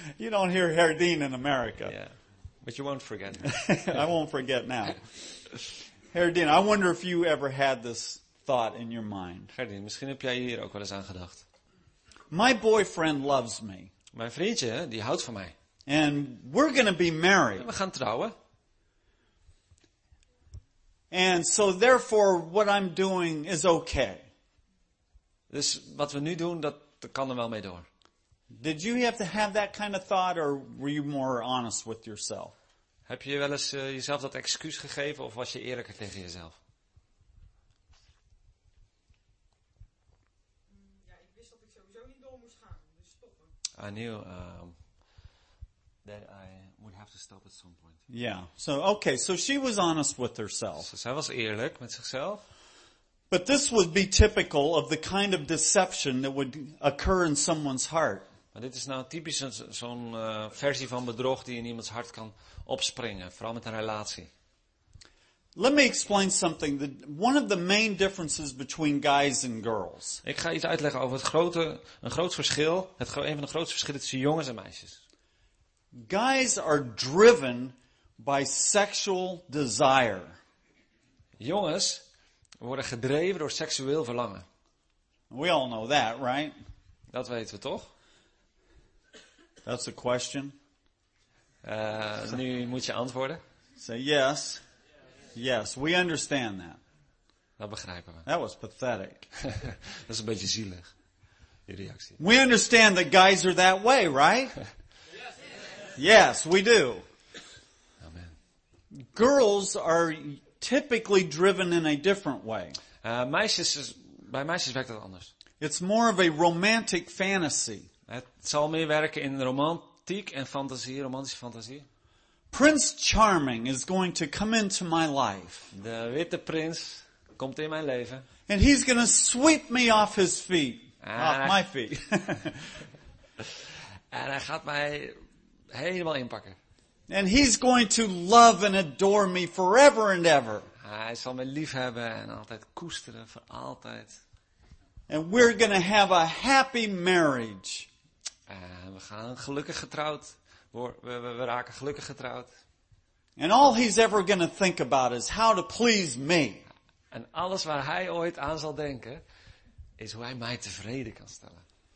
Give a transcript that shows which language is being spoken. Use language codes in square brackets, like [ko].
[en] You don't hear Gerdien in America. Yeah, but you won't forget. I won't forget now. Gerdien, I wonder if you ever had this thought in your mind. [nl] Gerdien, misschien heb jij hier ook wel eens aan gedacht. [en] My boyfriend loves me. [nl] Mijn vriendje, die houdt van mij. [en] And we're going to be married. [nl] We gaan trouwen. [en] And so therefore what I'm doing is okay. [nl] Dus wat we nu doen, dat kan er wel mee door. [en] Did you have to have that kind of thought or were you more honest with yourself? [nl] Heb je wel eens jezelf dat excuus gegeven of was je eerlijker tegen jezelf? [en] I knew that I would have to stop at some point. Yeah. So okay. So she was honest with herself. [nl] So zij was eerlijk met zichzelf. [en] But this would be typical of the kind of deception that would occur in someone's heart. [nl] Maar dit is nou typisch zo'n versie van bedrog die in iemands hart kan opspringen, vooral met een relatie. [en] Let me explain something. One of the main differences between guys and girls. [nl] Ik ga iets uitleggen over een van de grootste verschillen tussen jongens en meisjes. [en] Guys are driven by sexual desire. [nl] Jongens worden gedreven door seksueel verlangen. [en] We all know that, right? [nl] Dat weten we toch? [en] That's a question. [nl] Nu moet je antwoorden. [en] Say yes. Yes, we understand that. [nl] Dat begrijpen we. [en] That was pathetic. [nl] Dat is een beetje zielig, je reactie. [en] We understand that guys are that way, right? Yes, we do. Amen. Girls are typically driven in a different way. [nl] Bij meisjes werkt dat anders. [en] It's more of a romantic fantasy. [nl] Het zal meer werken in romantiek en fantasie, romantische fantasie. [en] Prince Charming is going to come into my life. [nl] De witte prins komt in mijn leven. [en] And he's going to sweep me off his feet. Off my feet. [nl] En hij gaat mij helemaal inpakken. [en] And he's going to love and adore me forever and ever. [nl] Hij zal me liefhebben en altijd koesteren voor altijd. [en] And we're going to have a happy marriage. [nl] En we gaan gelukkig getrouwd. We raken gelukkig getrouwd. [en] And all he's ever going to think about is how to please me. [nl] En alles waar hij ooit aan zal denken is hoe hij mij tevreden kan stellen.